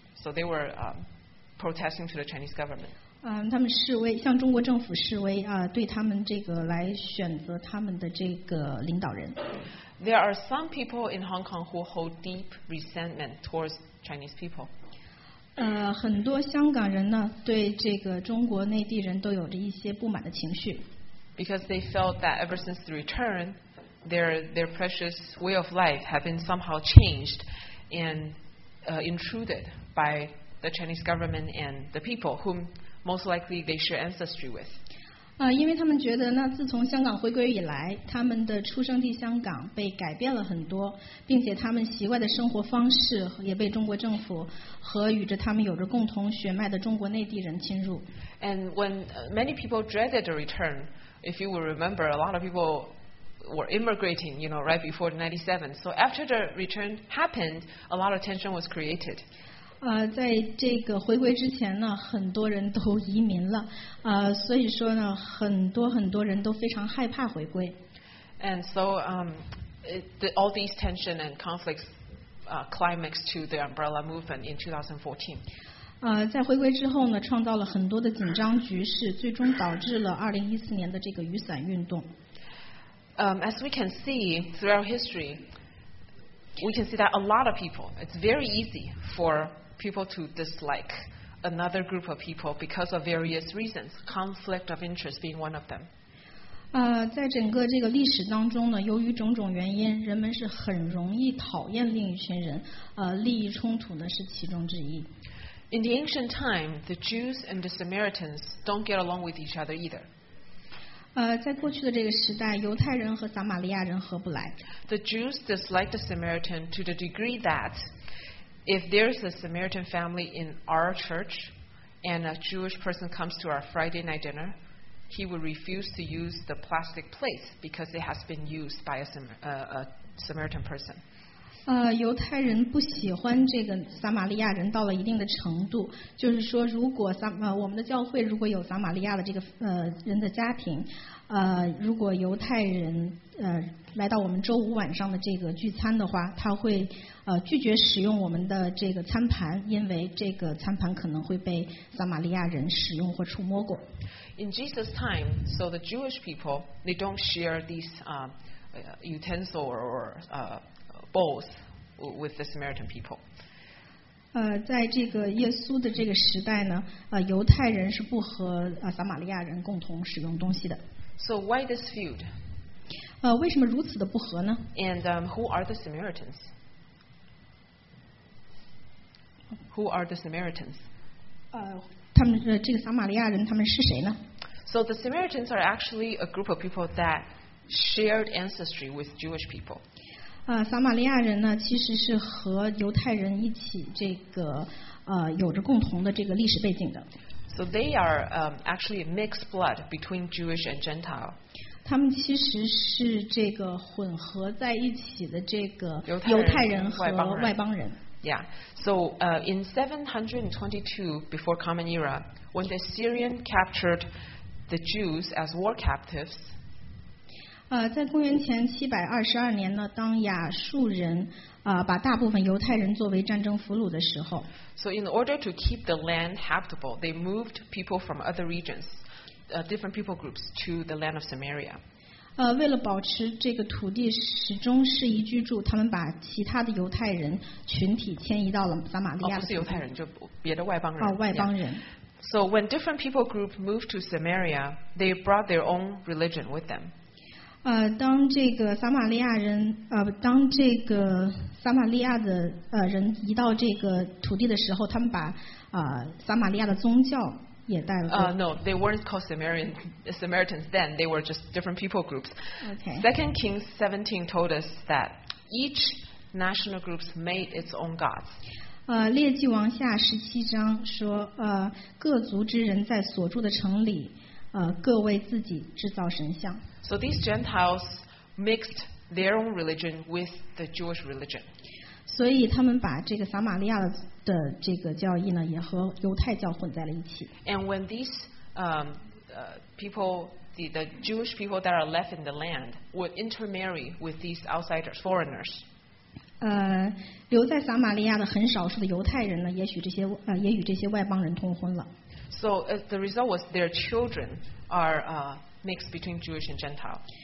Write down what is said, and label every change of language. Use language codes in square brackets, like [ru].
[en] So they were protesting to the Chinese government. [zh] 他们示威，向中国政府示威啊，对他们这个来选择他们的这个领导人。 [en] There are some people in Hong Kong who hold deep resentment towards Chinese people. [zh] 很多香港人呢，对这个中国内地人都有着一些不满的情绪。 [en] Because they felt that ever since the return, their precious way of life had been somehow changed and intruded by the Chinese government and the people whom most likely they share ancestry with. [zh] 因为他们觉得呢，自从香港回归以来，他们的出生地香港被改变了很多，并且他们习惯的生活方式也被中国政府和与着他们有着共同血脉的中国内地人侵入。 [en] And when many people dreaded the return. If you will remember, a lot of people were immigrating, you know, right before 97. So after the return happened, a lot of tension was created. [zh] 在这个回归之前呢，很多人都移民了。所以说呢，很多很多人都非常害怕回归。 [en] And so, all these tension and conflicts, climaxed to the umbrella movement in 2014. [zh] 在回归之后呢，创造了很多的紧张局势，最终导致了2014年的这个雨伞运动。 [en] As we can see throughout history, we can see that a lot of people, it's very easy for people to dislike another group of people because of various reasons, conflict of interest being one of them. [zh] 在整个这个历史当中呢，由于种种原因，人们是很容易讨厌另一群人，利益冲突呢是其中之一。 [en] In the ancient time, the Jews and the Samaritans don't get along with each other either. [zh] 在过去的这个时代，犹太人和撒玛利亚人合不来。 [en] The Jews disliked the Samaritan to the degree that if there's a Samaritan family in our church and a Jewish person comes to our Friday night dinner, he would refuse to use the plastic plates because it has been used by a Samaritan person. [zh] 犹太人不喜欢这个撒玛利亚人到了一定的程度，就是说，如果我们的教会如果有撒玛利亚的这个人的家庭，如果犹太人来到我们周五晚上的这个聚餐的话，他会拒绝使用我们的这个餐盘，因为这个餐盘可能会被撒玛利亚人使用或触摸过。 [en] In Jesus' time, so the Jewish people they don't share these utensil or bowls with the Samaritan people. [zh] 在这个耶稣的这个时代呢，犹太人是不和撒玛利亚人共同使用东西的。 [en] So why this feud? [zh] 为什么如此的不和呢 [en] ？And who are the Samaritans? Who are the Samaritans? [zh] 他们这个撒玛利亚人他们是谁呢 [en] ？So the Samaritans are actually a group of people that shared ancestry with Jewish people. [zh] 撒玛利亚人呢，其实是和犹太人一起这个有着共同的这个历史背景的。 [en] So they are actually a mixed blood between Jewish and Gentile. [zh] 他们其实是这个混合在一起的这个犹太人和外邦人。 [en] Yeah. So in 722 before Common Era, when the Assyrians captured the Jews as war captives. [zh] 在公元前722年呢，当亚述人把大部分犹太人作为战争俘虏的时候 [en] ，So in order to keep the land habitable, they moved people from other regions, different people groups to the land of Samaria. [zh] 为了保持这个土地始终适宜居住，他们把其他的犹太人群体迁移到了撒玛利亚。不是犹太人，就别的外邦人。外邦人。 [en] Yeah. So when different people group moved to Samaria, they brought their own religion with them. [zh] 当这个撒玛利亚人当这个撒玛利亚的人移到这个土地的时候，他们把撒玛利亚的宗教也带了。 [en] No, they weren't called Samaritans then. They were just different people groups. Okay. Second Kings 17 told us that each national groups made its own gods. [zh] 列记王下十七章说，各族之人在所住的城里，各为自己制造神像。 [en] So these Gentiles mixed their own religion with the Jewish religion. [zh] 所以他们把这个撒玛利亚的这个教义呢，也和犹太教混在了一起。 [en] And when these the Jewish people that are left in the land would intermarry with these outsiders, foreigners. [zh] 留在撒玛利亚的很少数的犹太人呢，也许这些也与这些外邦人通婚了。 [en] So the result was their children are mixed between Jewish and Gentile.